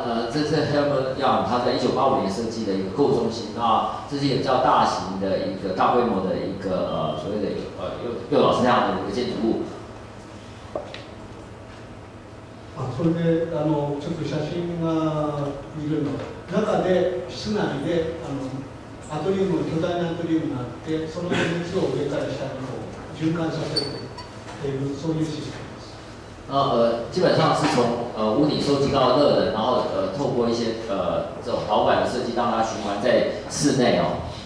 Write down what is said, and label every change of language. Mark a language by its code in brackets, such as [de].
[zh] 这是 Helmut Young 他在1985年设计的一个购物中心，那这是一个比较大型的一个大规模的一个所谓的又老师那样的一个建筑物。 [ja] 啊，それで这个写真が見るの、中で室内でアトリウム巨大なアトリウムがあって、その熱を上から下に循環させるというそういうシステム。 [zh] 基本上是从屋顶收集到热能，然后透过一些这种导管的设计，让它循环在室内哦。